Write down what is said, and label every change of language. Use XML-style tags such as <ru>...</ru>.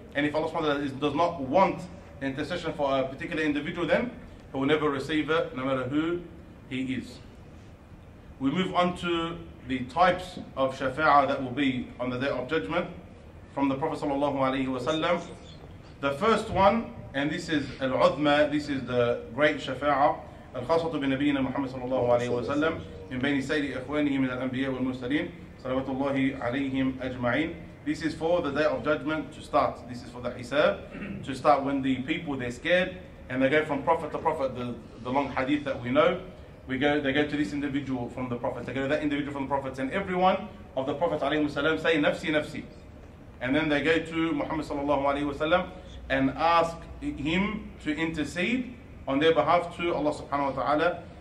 <en>And if Allah subhanahu wa ta'ala does not want intercession for a particular individual, then he will never receive it, no matter who he is. We move on to the types of shafa'ah that will be on the day of judgment from the Prophet sallallahu alayhi wa sallam. The first one, and this is al-udhma, this is the great shafa'ah,</en> <ar>الخاصة بنبينا محمد صلى الله عليه وسلم من بين سائر إخوانه من الأنبياء والمرسلين صلوات الله عليهم أجمعين.</ar> <en>This is for the day of judgment to start. This is for the حساب to start, when the people, they're scared and they go from prophet to prophet. The long hadith that we know, they go to this individual from the prophet, they go to that individual from the prophet, and everyone of the prophet عليه السلام say</en> <ar>نفسي نفسي,</ar> <en>and then they go to محمد صلى الله عليه وسلم and ask him to intercede on their behalf to Allah subhanahu wa ta'ala.</en>